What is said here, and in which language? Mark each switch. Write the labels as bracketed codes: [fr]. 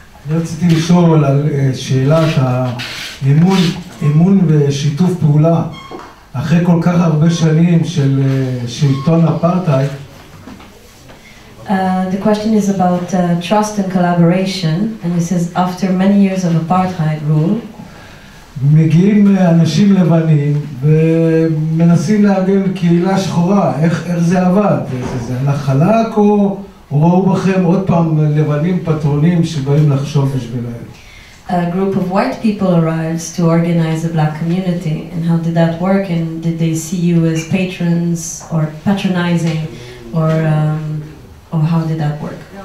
[he] אני רציתי לשאול על שאלה שהאמון ושיתוף פעולה אחרי כל כך הרבה שנים של שלטון אפרטהייד. [en] The question is about trust and collaboration, and it says after many years of apartheid rule. [he] מגיעים אנשים לבנים ומנסים להגן קהילה שחורה, איך זה עבד? זה נחלק או ראו בכם עוד פעם לבנים פטרונים שבאים לחשוב בשבילהם? [en] A group of white people arrives to organize a black community, and how did that work, and did they see you as patrons or patronizing or how did that work?